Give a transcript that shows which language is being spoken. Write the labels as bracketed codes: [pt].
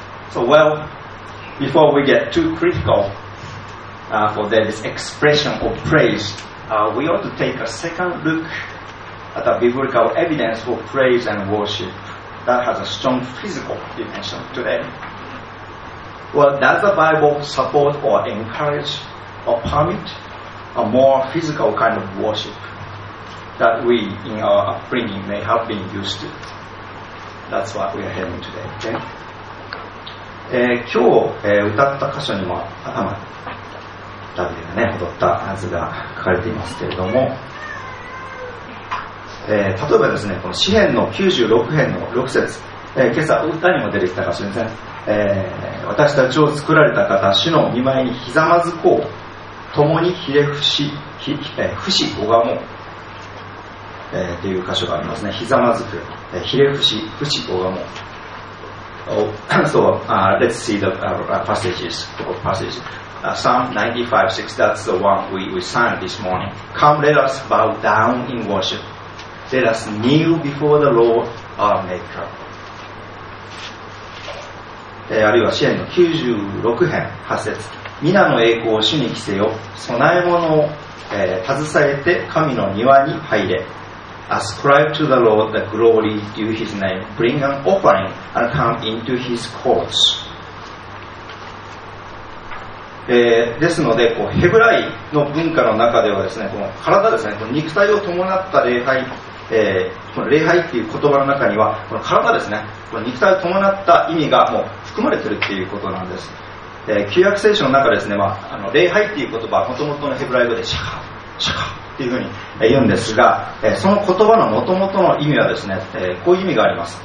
[en] So, well,Before we get too critical for David's expression of praise, we ought to take a second look at the biblical evidence for praise and worship that has a strong physical dimension today. Well, does the Bible support or encourage or permit a more physical kind of worship that we in our upbringing may have been used to? That's what we are hearing today, okay? [ja] 今日、歌った箇所にも頭ダビデが、ね、踊った図が書かれていますけれども、例えばですね、この詩編の96編の6節、今朝歌にも出てきた箇所ですね、私たちを作られた方、主の御前にひざまずこう、共にひれ伏し拝もう、という箇所がありますね。ひざまずく、ひれ伏し拝もう。 [en] Oh, so let's see the passages. Psalm 95:6, that's the one we sang this morning. Come, let us bow down in worship. Let us kneel before the Lord our Maker. [ja] あるいは詩編の96編8節、皆の栄光を主に着せよ、備え物を、携えて神の庭に入れ。 [en] Ascribe to the Lord the glory due His name. Bring an offering and come into His courts. [ja] ですのでこう、ヘブライの文化の中ではですね、この体ですね、この肉体を伴った礼拝、この礼拝っていう言葉の中には、この体ですね、この肉体を伴った意味がもう含まれているっていうことなんです。旧約聖書の中ですね、まあ、あの礼拝という言葉、もともとのヘブライ語でシャカシャカというふうに言うんですが、その言葉のもともとの意味はですね、こういう意味があります。